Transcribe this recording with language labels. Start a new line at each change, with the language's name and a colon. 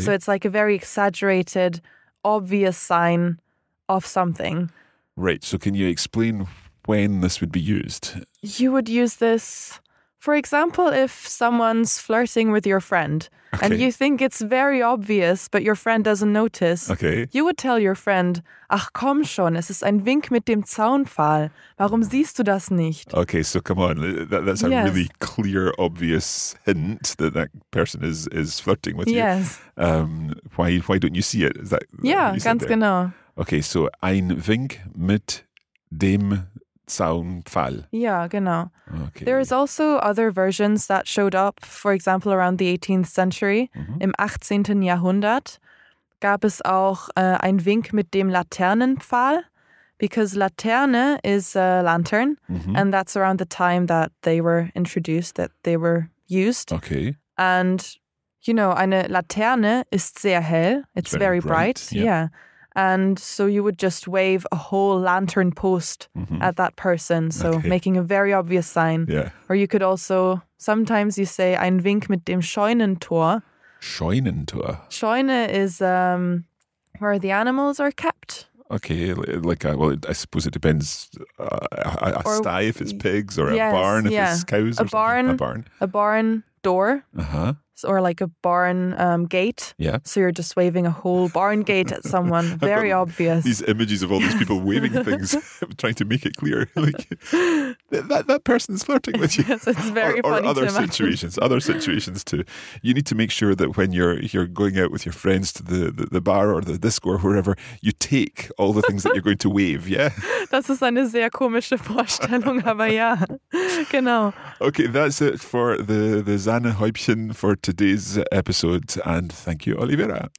English: So it's like a very exaggerated, obvious sign of something. Right. So can you explain when this would be used? You would use this, for example, if someone's flirting with your friend, okay. And you think it's very obvious, but your friend doesn't notice. Okay.
German: You would tell your friend, ach komm schon, es ist ein Wink mit dem Zaunpfahl. Warum siehst du das nicht?
English: Okay, so come on. That's a yes. Really clear, obvious hint that person is flirting with yes. You. Yes. Why don't you see it? Is that yeah, what you
German: ganz
English: said there?
German: Genau.
English: Okay, so
German: ein Wink mit dem Zaunpfahl.
English: Yeah,
German: genau.
English: Okay. There is also other versions that showed up, for example, around the 18th century. Mm-hmm.
German: Im 18. Jahrhundert gab es auch ein Wink mit dem Laternenpfahl,
English: because Laterne is a lantern, mm-hmm. And that's around the time that they were introduced, that they were used. Okay. And, you know,
German: eine Laterne ist sehr hell.
English: It's very, very bright. Yeah. Yeah. And so you would just wave a whole lantern post mm-hmm. at that person, so okay. Making a very obvious sign. Yeah. Or you could also, sometimes you say,
German: ein Wink mit dem Scheunentor. Scheunentor?
English: Scheune is where the animals are kept. Okay, I suppose it depends, a sty if it's pigs, or yes, a barn if yeah. It's cows or a something. Barn, a barn. A barn door. Uh-huh. Or like a barn gate. Yeah. So you're just waving a whole barn gate at someone. Very obvious. These images of all these people waving things, trying to make it clear. that person's flirting with you. Yes, it's very or funny. Or other situations. Other situations too. You need to make sure that when you're going out with your friends to the bar or the disco or wherever, you take all the things that you're going to wave, yeah?
German: Das ist eine sehr komische Vorstellung, aber ja. Genau.
English: Okay, that's it for the Sahnehäubchen for today's episode, and thank you, Oliveira.